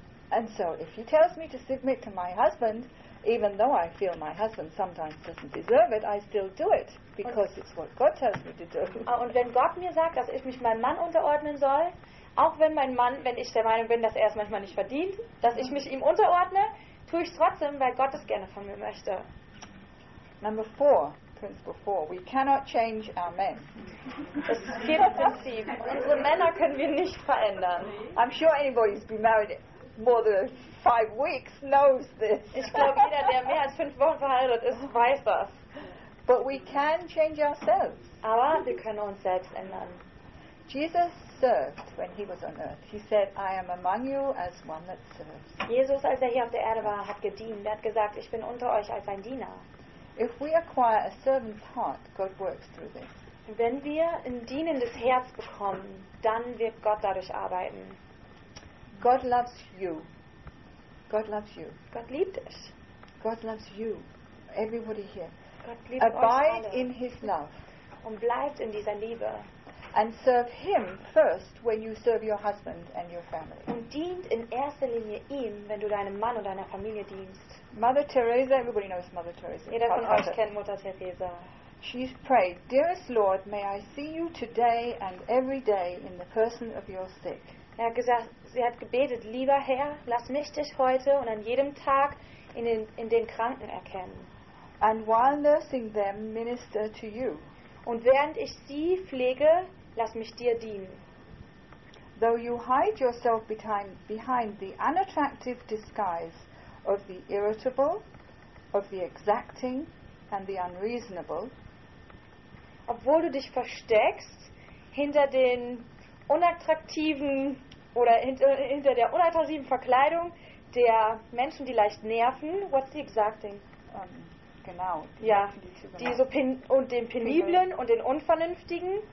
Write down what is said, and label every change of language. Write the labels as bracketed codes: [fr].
[en] And so if he tells me to submit to my husband, even though I feel my husband sometimes doesn't deserve it, I still do it, because it's what God tells me to do. [de] Und wenn Gott mir sagt, dass ich mich meinem Mann unterordnen soll, auch wenn mein Mann, wenn ich der Meinung bin, dass er es manchmal nicht verdient, dass ich mich ihm unterordne, tue ich es trotzdem, weil Gott es gerne von mir möchte. [en] Number four, principle four, we cannot change our men. [de] Das ist vierte Prinzip. Unsere Männer können wir nicht verändern. [en] I'm sure anybody who's been married more than 5 weeks knows this. [de] Ich glaube, jeder, der mehr als 5 Wochen verheiratet ist, weiß das. [en] But we can change ourselves. [de] Aber wir können uns selbst ändern. [en] Jesus served when he was on earth. He said, I am among you as one that serves. [de] Jesus, als er hier auf der Erde war, hat gedient. Er hat gesagt, ich bin unter euch als ein Diener. [en] If we acquire a servant's heart, God works through this. [de] Wenn wir ein dienendes Herz bekommen, dann wird Gott dadurch arbeiten. [en] God loves you. God loves you. [de] Gott liebt dich. [en] God loves you. Everybody here. [de] Gott liebt euch alle. [en] Abide in his love. [de] Und bleibt in dieser Liebe. [en] And serve him first when you serve your husband and your family. [de] Und dient in erster Linie ihm, wenn du deinem Mann und deiner Familie dienst. [en] Mother Teresa, everybody knows Mother Teresa. [de] Jeder von euch kennt Mutter Teresa. [en] She's prayed, dearest Lord, may I see you today and every day in the person of your sick. [de] Sie hat gebetet, lieber Herr, lass mich dich heute und an jedem Tag in den Kranken erkennen. [en] And while nursing them, minister to you. [de] Und während ich sie pflege, lass mich dir dienen. [en] Though you hide yourself behind the unattractive disguise of the irritable, of the exacting and the unreasonable. [de] Obwohl du dich versteckst hinter den unattraktiven oder hinter der unattraktiven Verkleidung der Menschen, die leicht nerven. [en] What's the exacting? [de] Genau. Ja, die so und den Peniblen und den Unvernünftigen.